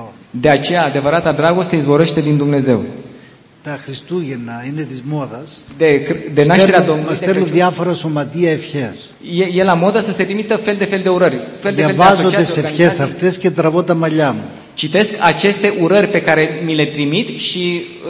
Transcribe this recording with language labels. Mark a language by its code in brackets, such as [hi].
[ro] De aceea, adevărata dragoste izvorăște din Dumnezeu. [el] Τα Χριστούγεννα είναι της μόδας. [ro] De nașterea Domnului. [el] Στέλνουν διάφορα σωματεία ευχές. [ro] E la modă să se trimită fel de fel de urări. [el] Διαβάζω τις ευχές αυτές και τραβώ τα μαλλιά μου. [ro] Citesc aceste urări pe care mi le trimit și